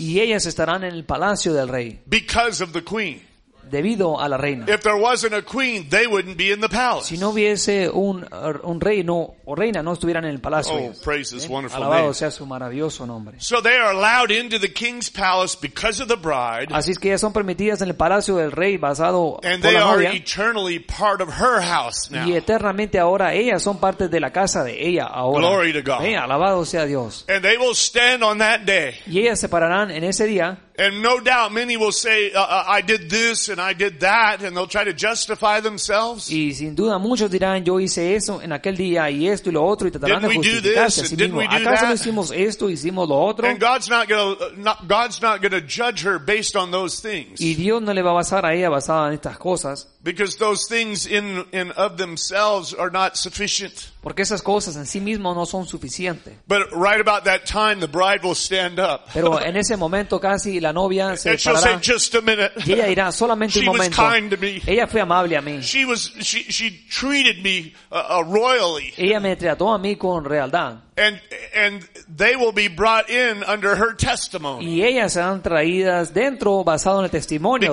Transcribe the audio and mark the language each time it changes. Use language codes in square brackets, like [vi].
[es] Y ellas estarán en el palacio del rey. [en] Because of the queen. [es] Debido a la reina. [en] If there wasn't a queen, they wouldn't be in the palace. [es] Si no hubiese un rey o reina, no estuvieran en el palacio. [en] Oh, praise his wonderful name. [es] Alabado sea su maravilloso nombre. [en] So they are allowed into the king's palace because of the bride. [es] Así es que ellas son permitidas en el palacio del rey basado por la novia. [en] And they are eternally part of her house now. [es] Y eternamente ahora ellas son parte de la casa de ella ahora. [en] Glory to God. [es] Alabado sea Dios. [en] And they will stand on that day. [es] Y ellas se pararán en ese día. [en] And no doubt many will say, I did this and I did that, and they'll try to justify themselves. [es] Y sin duda muchos dirán, yo hice eso en aquel día y esto y lo otro, y tratarán [en] didn't [es] de justificarse. [en] Didn't we do this? [es] ¿Acaso hicimos esto, hicimos lo otro? [en] And God's not gonna judge her based on those things. [es] Y Dios no le va a basar a ella basada en estas cosas. [en] Because those things in of themselves are not sufficient. [es] Porque esas cosas en sí mismo no son suficientes. [en] But right about that time, the bride will stand up. [es] Pero en ese momento casi la novia se [en] and [es] parará. [en] She'll say, just a minute. [es] Y ella dirá, solamente [en] she [es] un momento. [en] She was kind to me. [es] Ella fue amable a mí. [en] She treated me royally. [es] Ella me trató a mí con realidad. [en] And they will be brought in under her testimony. [es] Y ellas serán traídas dentro basado en el testimonio